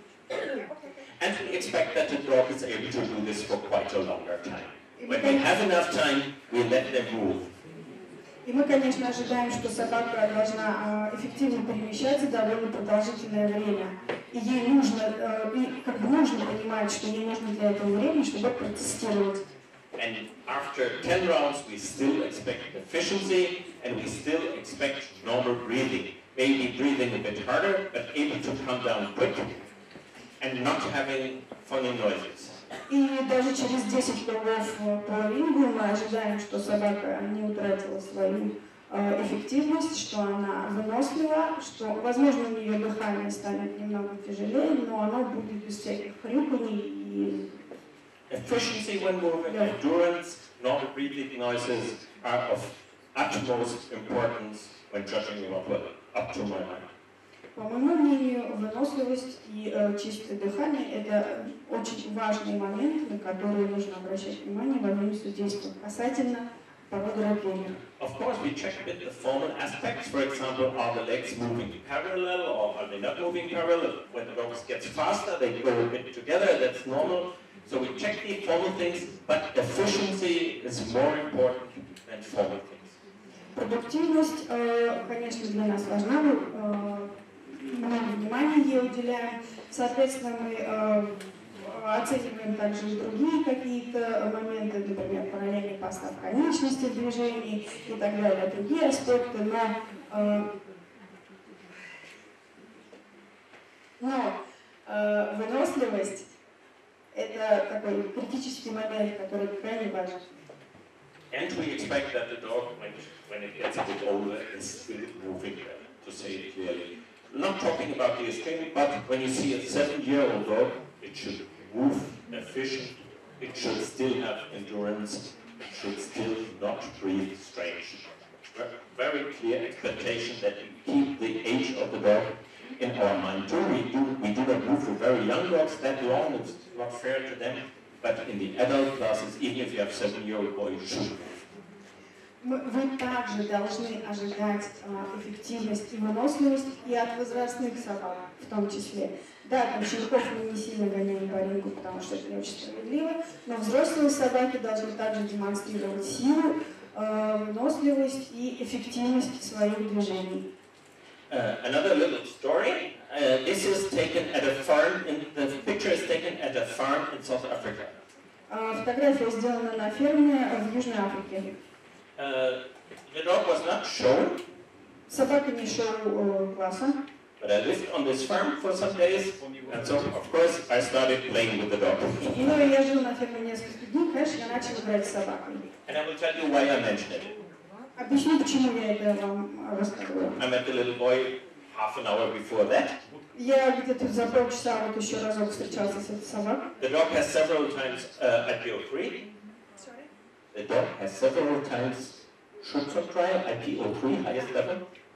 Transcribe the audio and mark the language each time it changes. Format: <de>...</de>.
<en>And we expect that the dog is able to do this for quite a longer time. When they have enough time, we let them move.</en> <ru>И мы, конечно, ожидаем, что собака должна эффективно перемещаться довольно продолжительное время. И ей нужно, и как бы нужно понимать, что ей нужно для этого время, чтобы протестировать.</ru> <en>And after 10 rounds, we still expect efficiency, and we still expect normal breathing. Maybe breathing a bit harder, but able to calm down quick, and not having funny noises.</en> <ru>И даже через 10 кругов по рингу мы ожидаем, что собака не утратила свою эффективность, что она вынослива, что, возможно, у нее дыхание станет немного тяжелее, но оно будет без всяких хрюканий и...</ru> <en>Efficiency when moving, endurance, normal breathing noises are of utmost importance when judging them up to my mind.</en> <ru>По моему мнению, выносливость и чистое дыхание – это очень важный момент, на который нужно обращать внимание во время судейства касательно породы ротвейлера.</ru> <en>Of course, we check a bit the formal aspects. For example, are the legs moving parallel or are they not moving parallel? When the dog gets faster, they go a bit together. That's normal. So we check the formal things, but efficiency is more important than formal things.</en> <ru>Продуктивность, конечно, для нас важна. Много внимания ей уделяем. Соответственно, мы оцениваем также и другие какие-то моменты, например, параллельный постав конечности движений и так далее, другие аспекты. Но выносливость – это такой критический момент, который крайне важен.</ru> <en>And we expect that the dog, when it gets a bit older, is still moving well, to say it clearly. Not talking about the extreme, but when you see a 7-year-old dog, it should move efficiently, it should still have endurance, it should still not breathe strange. Very clear expectation that we keep the age of the dog in our mind too. We do not move for very young dogs that long, it's not fair to them, but in the adult classes, even if you have 7-year-old boy, you should move.</en> <ru>Вы также должны ожидать эффективность и выносливость и от возрастных собак в том числе. Да, там щенков мы не сильно гоняем по рингу, потому что это не очень справедливо, но взрослые собаки должны также демонстрировать силу, выносливость и эффективность своих движений.</ru> <en>Another little story. This is taken at a farm, the picture is taken at a farm in South Africa.</en> <ru>Фотография сделана на ферме в Южной Африке.</ru> <en>The dog was not shown.</en> <ru>Собака не шоу класса.</ru> <en>But I lived on this farm for some days, and so of course I started playing with the dog.</en> <ru>Ну, я жил на ферме несколько дней, знаешь, я начал играть с собаками.</ru> <en>And I will tell you why I mentioned it.</en> <ru>Объясню, почему я это вам рассказываю.</ru> <en>I met a little boy half an hour before that.</en> <ru>Я где-то за полчаса вот еще разок встречался с этой собакой.</ru> <en>The dog has several times at your free. The dog has several times should have tried IPO 3, highest level.</en>